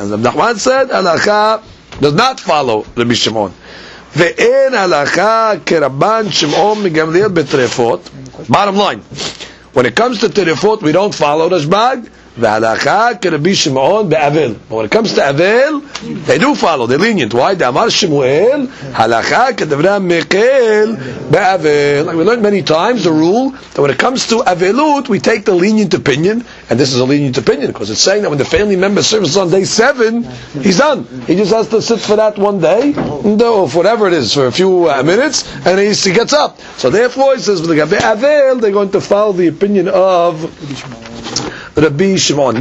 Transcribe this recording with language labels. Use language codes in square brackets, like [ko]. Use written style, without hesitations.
[en] And Rabbi Nachman said, halakha does not follow Rabbi Shimon. [he] Ve'en halakha kerabban Shimon migamliel b'terefot. [en] Bottom line, when it comes to terefot, we don't follow Rashbag. [he] והלכה כרבי שמעון באבל. [en] But when it comes to אבל, they do follow, they're lenient. Why? [arc] דאמר שמואל, הלכה כדברי המקל באבל. [en] Like we learned many times the rule that when it comes to אבלות, we take the lenient opinion, and this is a lenient opinion, because it's saying that when the family member serves on day 7, he's done. He just has to sit for that one day, or whatever it is, for a few minutes, and he gets up. So therefore, he says, they're going to follow the opinion of Rabbi Shimon.